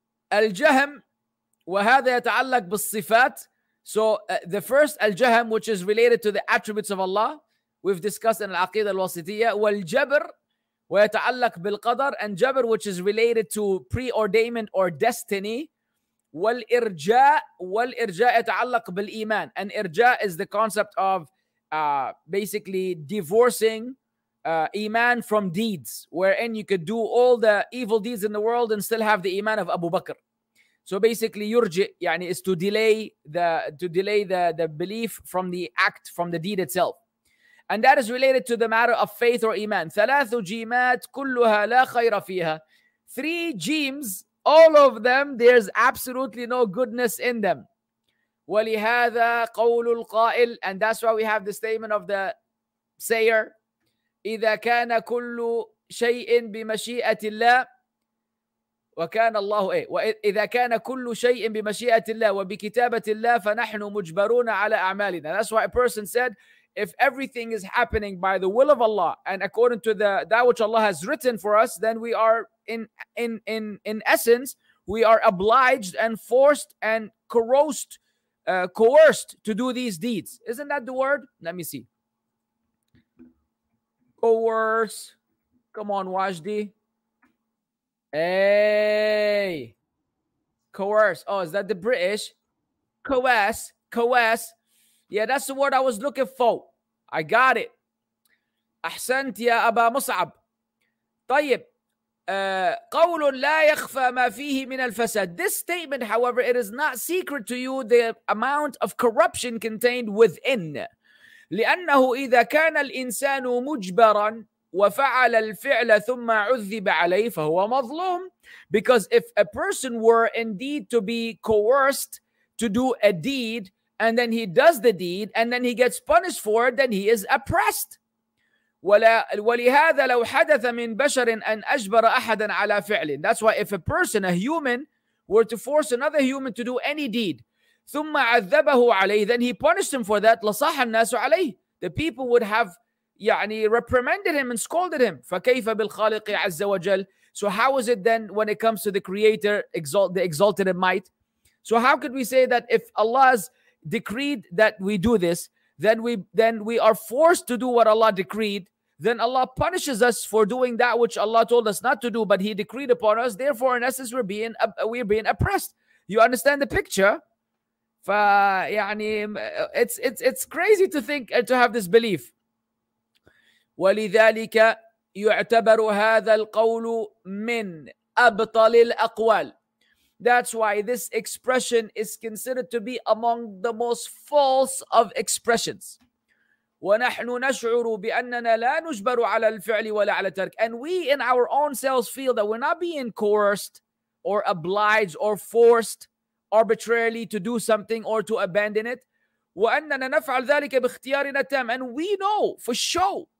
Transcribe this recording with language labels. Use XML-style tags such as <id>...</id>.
<ar>Al-Jahm, وهذا يتعلق بالصفات.</ar> <en>So the first, Al-Jahm, which is related to the attributes of Allah, we've discussed in Al-Aqidah Al-Wasitiyah. Wal-Jabr,</en> <ar>ويتعلق بالقدر,</ar> <en>and جبر, which is related to preordainment or destiny.</en> <ar>والإرجاء, والإرجاء يتعلق بالإيمان,</ar> <en>and إرجاء is the concept of basically divorcing إيمان from deeds, wherein you could do all the evil deeds in the world and still have the إيمان of Abu Bakr. So basically</en> <ar>يرجع يعني</ar> <en>is to delay the belief from the act, from the deed itself. And that is related to the matter of faith or iman.</en> <ar>ثلاث جيمات كلها لا خير فيها.</ar> <en>Three jeems, all of them, there's absolutely no goodness in them.</en> <ar>ولهذا قول القائل,</ar> <en>and that's why we have the statement of the sayer,</en> <ar>إذا كان كل شيء بمشيئة الله وكان الله إيه. وإذا كان كل شيء بمشيئة الله وبكتابة الله فنحن مجبرون على أعمالنا.</ar> <en>That's why a person said, if everything is happening by the will of Allah and according to that which Allah has written for us, then we are in essence, we are obliged and forced and coerced to do these deeds. Isn't that the word? Let me see. Coerce. Come on, Wajdi. Hey. Coerce. Oh, is that the British? Coerce. Coerce. Yeah, that's the word I was looking for. I got it.</en> <ar>أحسنت يا أبا مصعب. طيب. قول لا يخفى ما فيه من الفساد.</ar> <en>This statement, however, it is not secret to you the amount of corruption contained within.</en> <ar>لأنه إذا كان الإنسان مجبرا وفعل الفعل ثم عذب عليه فهو مظلوم.</ar> <en>Because if a person were indeed to be coerced to do a deed, and then he does the deed, and then he gets punished for it, then he is oppressed.</en> <ar>وَلِهَذَا لَوْ حَدَثَ مِنْ بَشَرٍ أَنْ أَجْبَرَ أَحَدًا عَلَى فِعْلٍ.</ar> <en>That's why if a person, a human, were to force another human to do any deed,</en> <ar>ثُمَّ عَذَّبَهُ عَلَيْهِ,</ar> <en>then he punished him for that,</en> <ar>لَصَحَ النَّاسُ عَلَيْهِ.</ar> <en>The people would have</en> <ar>يعني</ar> <en>reprimanded him and scolded him.</en> <ar>فَكَيْفَ بِالْخَالِقِ عَزَّ وَجَلْ.</ar> <en>So how is it then when it comes to the Creator, the exalted in might? So how could we say that if Allah's decreed that we do this, then we are forced to do what Allah decreed, then Allah punishes us for doing that which Allah told us not to do, but He decreed upon us, therefore in essence we're being oppressed. You understand the picture? It's crazy to think and to have this belief.</en> <ar>ولذلك يعتبر هذا القول من أبطل الأقوال.</ar> <en>That's why this expression is considered to be among the most false of expressions.</en> <ar>وَنَحْنُ نَشْعُرُ بِأَنَّنَا لَا نُجْبَرُ عَلَى الْفِعْلِ وَلَا عَلَى تَرْكِ.</ar> <en>And we in our own selves feel that we're not being coerced or obliged or forced arbitrarily to do something or to abandon it.</en> <ar>وَأَنَّنَا نَفْعَلْ ذَلِكَ بِاخْتِيَارِنَا تَامٍ.</ar> <en>And we know for sure</en>